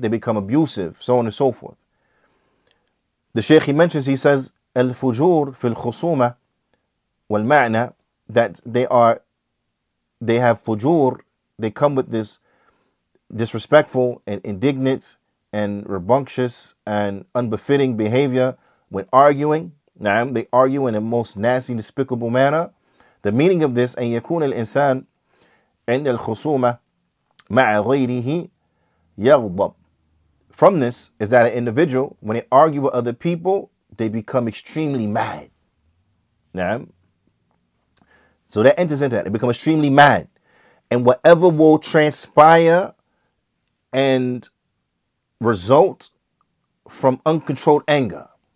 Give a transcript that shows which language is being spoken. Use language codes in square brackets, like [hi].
[en] They become abusive, so on and so forth. The Sheikh, he mentions, he says, [ar] الفجور في الخصومة والمعنى, [en] that they have fujur, they come with this disrespectful and indignant and rambunctious and unbefitting behavior when arguing. Naam, they argue in a most nasty, despicable manner. The meaning of this, [ar] أن يكون الإنسان, عند الخصومة مع غيره يغضب. [en] From this is that an individual, when they argue with other people, they become extremely mad. [ar] نعم. [en] So that enters into that. They become extremely mad. And whatever will transpire and result from uncontrolled anger.